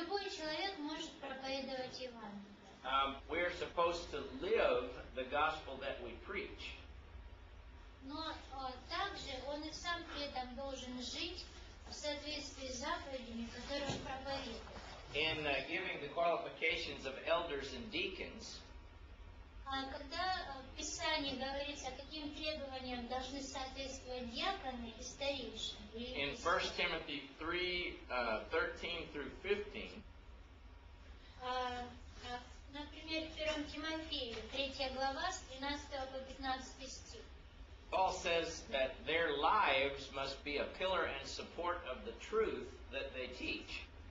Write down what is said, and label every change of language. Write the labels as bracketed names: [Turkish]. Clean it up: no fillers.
[Russian] Любой человек может проповедовать Евангелие. [English] We're supposed to live the gospel that we preach. [Russian] Но также он и сам при этом должен жить в соответствии с заповедями, которые он проповедует. [English] In giving the qualifications of elders and deacons, [Russian] когда в Писании говорится, каким требованиям должны соответствовать диаконы и старейшины, [English] in 1 Timothy 3:13-15, [Russian] например, 1 Тимофею, 3 глава, с 13 по 15 стих, [English] Paul says that their lives must be a pillar and support of the truth that they teach.